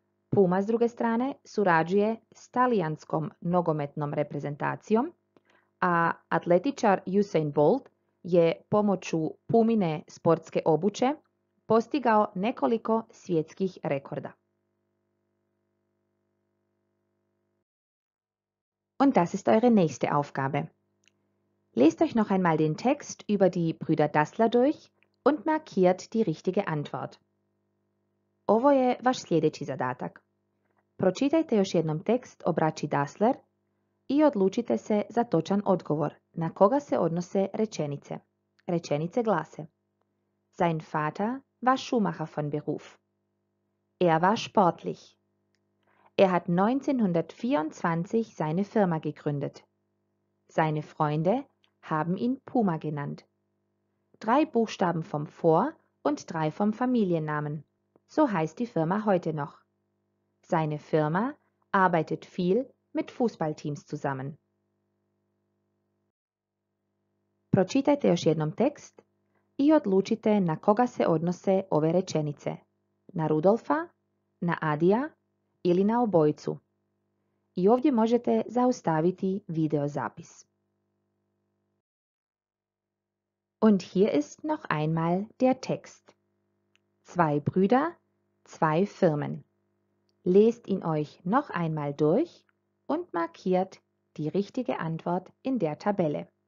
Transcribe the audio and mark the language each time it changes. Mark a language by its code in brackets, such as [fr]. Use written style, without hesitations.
[hr] Puma s druge strane surađuje s talijanskom nogometnom reprezentacijom, a atletičar Usain Bolt je pomoću Pumine sportske obuće postigao nekoliko svjetskih rekorda. [de] Und das ist eure nächste Aufgabe. Lest euch noch einmal den Text über die Brüder Dassler durch und markiert die richtige Antwort. [hr] Ovo je vaš sljedeći zadatak. Pročitajte još jednom tekst o braći Dassler i odlučite se za točan odgovor, na koga se odnose rečenice. Rečenice glase: [de] Sein Vater war Schuhmacher von Beruf. Er war sportlich. Er hat 1924 seine Firma gegründet. Seine Freunde haben ihn Puma genannt. Drei Buchstaben vom Vor- und drei vom Familiennamen. So heißt die Firma heute noch. Seine Firma arbeitet viel mit Fußballteams zusammen. [hr] Pročitajte još jednom tekst i odlučite na koga se odnose ove rečenice. Na Rudolfa, na Adija ili na obojicu. I ovdje možete zaustaviti videozapis. [de] Und hier ist noch einmal der Text. Zwei Brüder, zwei Firmen. Lest ihn euch noch einmal durch und markiert die richtige Antwort in der Tabelle.